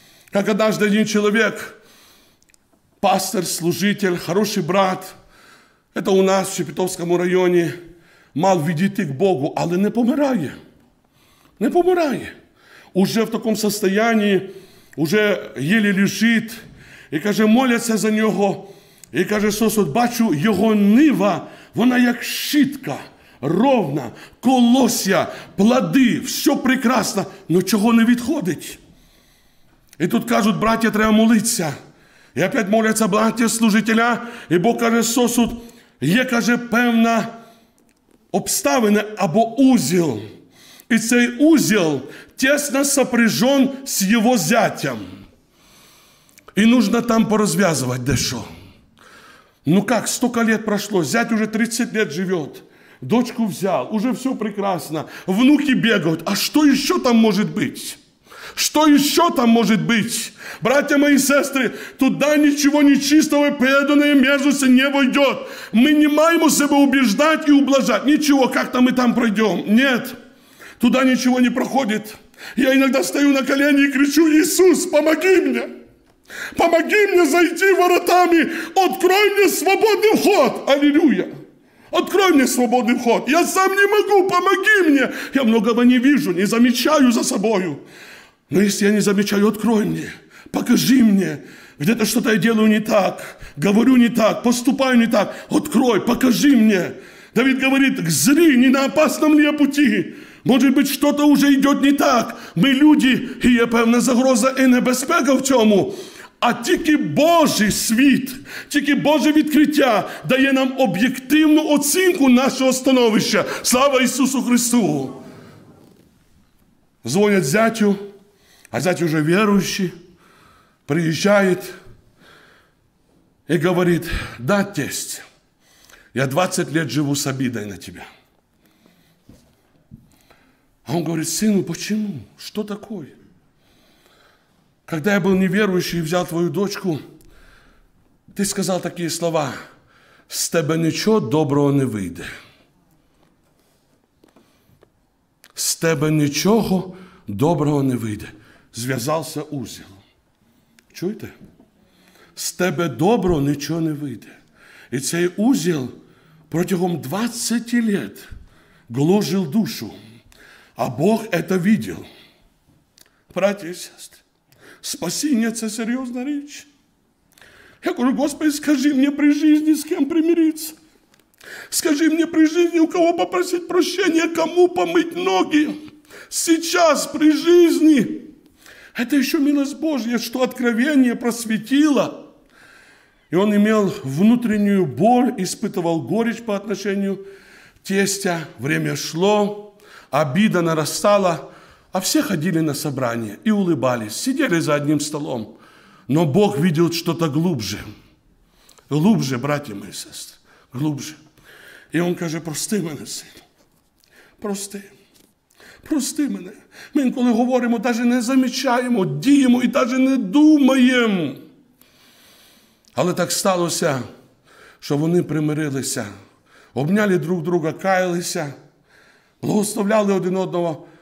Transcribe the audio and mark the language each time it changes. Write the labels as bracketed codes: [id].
[ru] Как однажды один человек, пастор, служитель, хороший брат, это у нас [uk] в Шепетовському районі, мав відійти к Богу, але не помирає. Не помирає. [ru] Уже в такому состоянии, уже еле лежить. [uk] І каже, моляться за нього. І каже, Ісус, от бачу, його нива, вона як щітка, ровна, колосся, плоди, все прекрасно, но чого не відходить? І тут кажуть, браття, треба молитися. І опять моляться браття-служителя. І Бог каже, сосуд, є, каже, певна обставина або узел. І цей узел тісно сопряжен з його зятем. І нужно там порозв'язувати дещо. Ну як, стільки років пройшло, зять уже 30 років живе. Дочку взяв, уже все прекрасно. Внуки бігають. А що ще там може бути? [ru] Что еще там может быть? Братья мои, сестры, туда ничего нечистого и преданное мерзости не войдет. Мы не маем у себя убеждать и ублажать. Ничего, как-то мы там пройдем. Нет, туда ничего не проходит. Я иногда стою на колени и кричу, Иисус, помоги мне. Помоги мне зайти воротами. Открой мне свободный вход. Аллилуйя. Открой мне свободный вход. Я сам не могу, помоги мне. Я многого не вижу, не замечаю за собою. Но если я не замечаю, открой мне, покажи мне, где-то что-то я делаю не так, говорю не так, поступаю не так, открой, покажи мне. Давид говорит, зри, не на опасном ли я пути, может быть, что-то уже идет не так. [uk] Мы люди, и є певна загроза и небезпека в цьому. А тільки Божий світ, тільки Боже відкриття дає нам об'єктивну оцінку нашого становища. Слава Ісусу Христу! Дзвонять зятю, [ru] а зять уже верующий, приезжает и говорит, да, тесть, я 20 лет живу с обидой на тебя. А он говорит, сыну, почему? Что такое? Когда я был неверующий и взял твою дочку, ты сказал такие слова, с тебя ничего доброго не выйдет. С тебя ничего доброго не выйдет. [uk] Зв'язався узел. Чуєте? З тебе добро нічого не вийде. І цей узел протягом 20 лет гложив душу. А Бог це видів. Браті і сестри, спасіння – це серйозна річ. Я кажу, Господи, скажи мені при житті, з ким примиритися. Скажи мені при житті, у кого попросити прощення, кому помити ноги. Сейчас, при житті. [ru] Это еще милость Божья, что откровение просветило. И он имел внутреннюю боль, испытывал горечь по отношению к тестя. Время шло, обида нарастала, а все ходили на собрание и улыбались, сидели за одним столом. Но Бог видел что-то глубже. Глубже, братья мои, сестры, глубже. И он каже, прости меня, сын, прости. Прости меня. [uk] Мы інколи говоримо, даже не замечаємо, діємо і даже не думаємо. Але так сталося, що вони примирилися, обняли друг друга, каялися, благословляли один одного.